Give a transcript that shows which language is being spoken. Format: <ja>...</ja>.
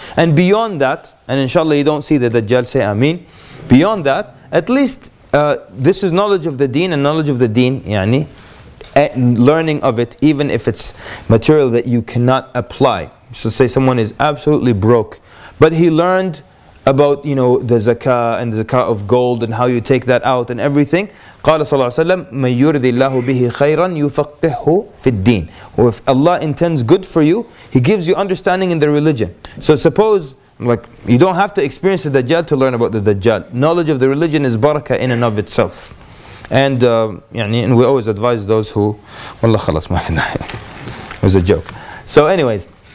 <en>And beyond that, and inshallah you don't see the Dajjal say Ameen, beyond that, at least this is knowledge of the deen, and knowledge of the deen, yani, and learning of it, even if it's material that you cannot apply. So say someone is absolutely broke, but he learned about the zakah and the zakah of gold and how you take that out and everything.</en> <ar>قال صلى الله عليه وسلم من يرد الله به خيرا يفقهه في الدين.</ar> <en>Or if Allah intends good for you, He gives you understanding in the religion. So suppose, like, you don't have to experience the Dajjal to learn about the Dajjal. Knowledge of the religion is barakah in and of itself. And and we always advise those who,</en> <ar>والله خلاص ما فينا.</ar> <en>It was a joke. So anyways.</en>